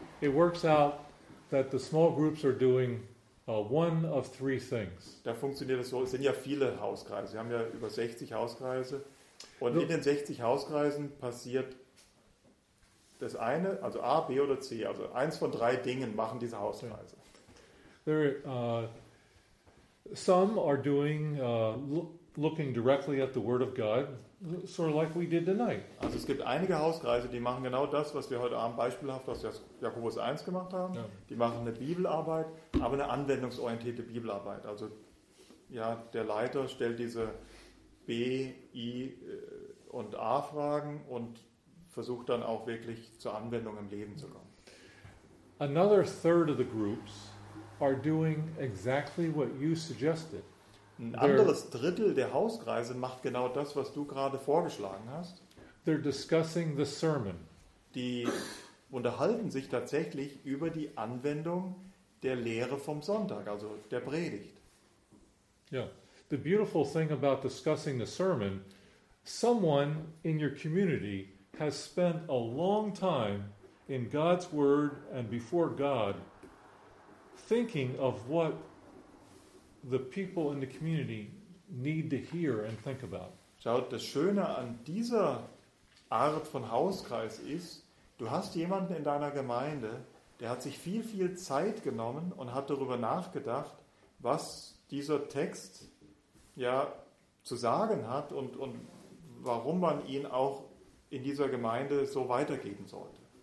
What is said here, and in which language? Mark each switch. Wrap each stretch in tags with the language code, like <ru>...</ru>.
<en>it works out that the small groups are doing one of three things.</en> <de>Da funktioniert es so, es sind ja viele Hauskreise. Wir haben ja über 60 Hauskreise. Und in den 60 Hauskreisen passiert das eine, also A, B oder C. Also eins von drei Dingen machen diese Hauskreise.</de> <en>Some are doing looking directly at the Word of God, sort of like we did tonight.</en> <de>Also es gibt einige Hauskreise, die machen genau das, was wir heute Abend beispielhaft aus Jakobus 1 gemacht haben. Ja. Die machen eine Bibelarbeit, aber eine anwendungsorientierte Bibelarbeit. Also ja, der Leiter stellt diese B, I und A Fragen und versucht dann auch wirklich zur Anwendung im Leben zu kommen.</de> <en>Another third of the groups are doing exactly what you suggested.</en> <de>Ein anderes Drittel der Hauskreise macht genau das, was du gerade vorgeschlagen hast.</de> <en>They're discussing the sermon.</en> <de>Die unterhalten sich tatsächlich über die Anwendung der Lehre vom Sonntag, also der Predigt.</de> <en>Yeah. The beautiful thing about discussing the sermon, someone in your community has spent a long time in God's Word and before God thinking of what the people in the community need to hear and think about.</en> <de>Schaut, das Schöne an dieser Art von Hauskreis ist, du hast jemanden in deiner Gemeinde, der hat sich viel, viel Zeit genommen und hat darüber nachgedacht, was dieser Text ja zu sagen hat und warum man ihn auch in dieser Gemeinde so weitergeben sollte.</de>